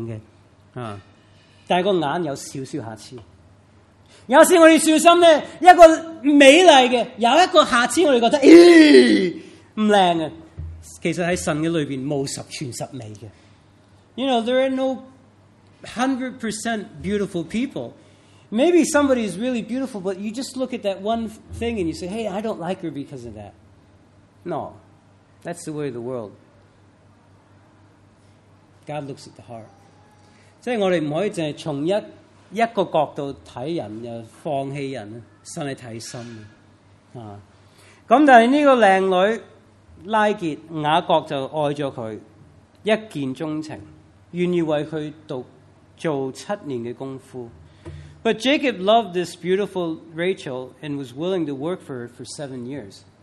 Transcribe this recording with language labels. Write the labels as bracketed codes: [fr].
[zh] 有人说可能是中东人,是啡眼珠的,有人说可能是忧郁眼的,有人说可能是眼睛大,红圆眼的,不知道的,总之,雅各他觉得没那么漂亮,但我相信如果我们看到你眼,他都会很漂亮的,但眼有少少瑕疵。有时我们小心,一个美丽的,有一个瑕疵,我们觉得,不漂亮的,其实在神的里面,没有十全十美的。 [en] You know, there are no 100% beautiful people. Maybe somebody is really beautiful, but you just look at that one thing and you say, hey, I don't like her because of that. No, that's the way of the world. God looks at the heart. [zh] 即是我们不可以只从一 一个角度看人,放弃人,神是看心的。但是这个美女拉结,雅各就爱了她,一见钟情,愿意为她做7年的功夫。But [en] Jacob loved this beautiful Rachel and was willing to work for her for 7 years.